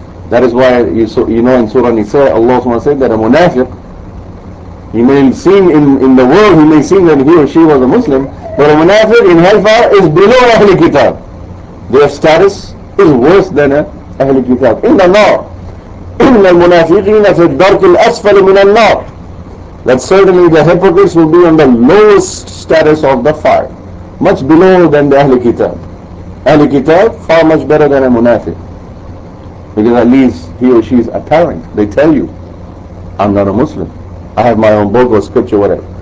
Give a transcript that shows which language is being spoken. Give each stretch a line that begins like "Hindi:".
English: That is why you know in Surah Nisa, Allah said that a munafiq, he may seem in the world, he may seem that he or she was a Muslim, but a munafiq in hellfire is below Ahl al-Kitab. Their status is worse than Ahl al-Kitab. In the law,
Arabic: إِنَّ الْمُنَافِقِينَ فِي الدَّرْكِ الْأَسْفَلِ مِنَ النَّارِ.
English: That certainly the hypocrites will be on the lowest status of the fire, much below than the Ahl al-Kitab. Ahl al-Kitab far much better than a munafiq, because at least he or she is apparent. They tell you, I'm not a Muslim, I have my own book or scripture, whatever.